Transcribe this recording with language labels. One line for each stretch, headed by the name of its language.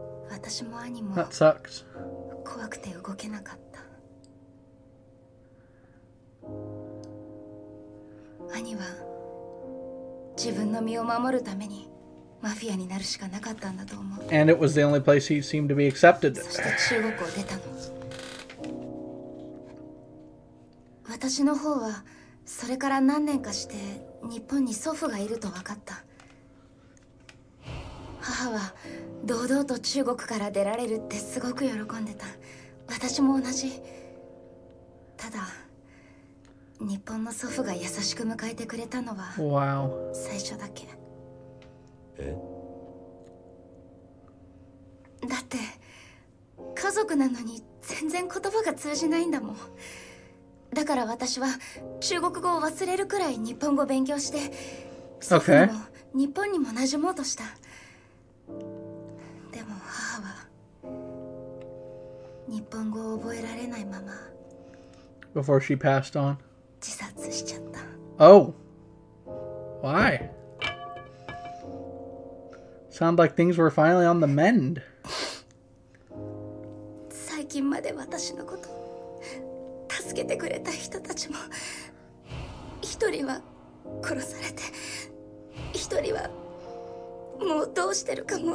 Japanese: 私も兄も怖くて動けなかった。兄は自分の身を守るためにマフィアになるしかなかったんだと思う。
English: And it was the only place he seemed to be accepted.
Japanese: そして中国を出たの。私の方はそれから何年かして日本に祖父がいると分かった。母は堂々と中国から出られるってすごく喜んでた。私も同じ。ただ、日本の祖父が優しく迎えてくれたのは、
English: wow.
Japanese: 最初だけ。え? だって、家族なのに全然言葉が通じないんだもん。だから私は中国語を忘れるくらい日本語を勉強して、祖父も日本にも馴染もうとした。でも母は日本語を覚えられないまま
English: Before she passed on?
Japanese: 自殺しちゃった。
English: Oh! Why? Sound like things were finally on the mend.
Japanese: 最近まで私のこと助けてくれた人たちも一人は殺されて一人はもうどうしてるかも。